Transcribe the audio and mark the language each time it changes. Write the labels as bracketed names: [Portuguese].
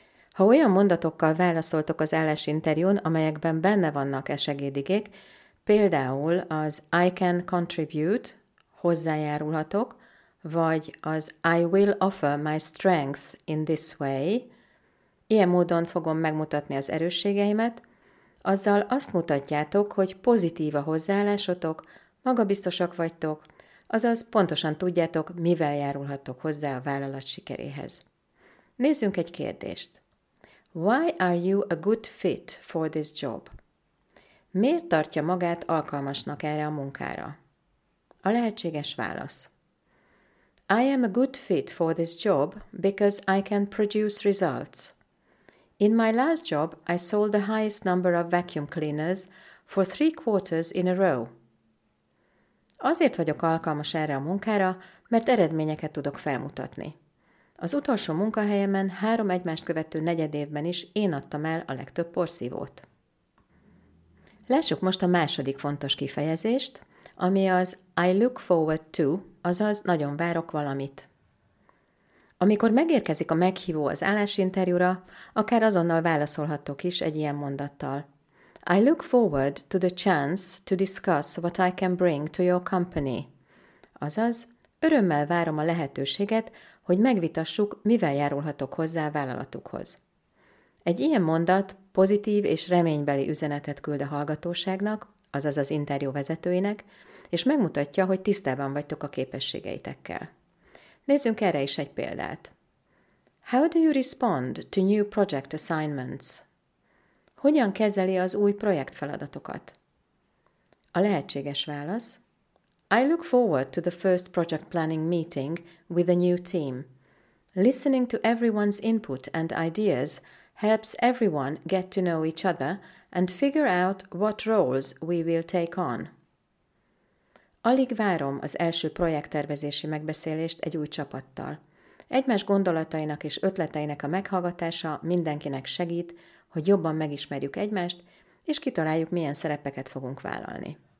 [Hungarian] Ha olyan mondatokkal válaszoltok az állásinterjún, amelyekben benne vannak e segédigék, például az [English] I can contribute, [Hungarian] hozzájárulhatok, vagy az [English] I will offer my strength in this way, [Hungarian] Ilyen módon fogom megmutatni az erősségeimet, azzal azt mutatjátok, hogy pozitív a hozzáállásotok, magabiztosak vagytok, azaz pontosan tudjátok, mivel járulhattok hozzá a vállalat sikeréhez. Nézzünk egy kérdést. [English] Why are you a good fit for this job? [Hungarian] Miért tartja magát alkalmasnak erre a munkára? A lehetséges válasz. [English] I am a good fit for this job because I can produce results. In my last job, I sold the highest number of vacuum cleaners for 3 quarters in a row. [Hungarian] Azért vagyok alkalmas erre a munkára, mert eredményeket tudok felmutatni. Az utolsó munkahelyemen 3 egymást követő negyed évben is én adtam el a legtöbb porszívót. Lássuk most a második fontos kifejezést, ami az [English] I look forward to, [Hungarian] azaz nagyon várok valamit. Amikor megérkezik a meghívó az állásinterjúra, akár azonnal válaszolhattok is egy ilyen mondattal. [English] I look forward to the chance to discuss what I can bring to your company. [Hungarian] Azaz, örömmel várom a lehetőséget, hogy megvitassuk, mivel járulhatok hozzá a vállalatukhoz. Egy ilyen mondat pozitív és reménybeli üzenetet küld a hallgatóságnak, azaz az interjú vezetőinek, és megmutatja, hogy tisztában vagytok a képességeitekkel. Nézzünk erre is egy példát. [English] How do you respond to new project assignments? [Hungarian] Hogyan kezeli az új projektfeladatokat? A lehetséges válasz. [English] I look forward to the first project planning meeting with a new team. Listening to everyone's input and ideas helps everyone get to know each other and figure out what roles we will take on. [Hungarian] Alig várom az első projekttervezési megbeszélést egy új csapattal. Egymás gondolatainak és ötleteinek a meghallgatása mindenkinek segít, hogy jobban megismerjük egymást, és kitaláljuk, milyen szerepeket fogunk vállalni.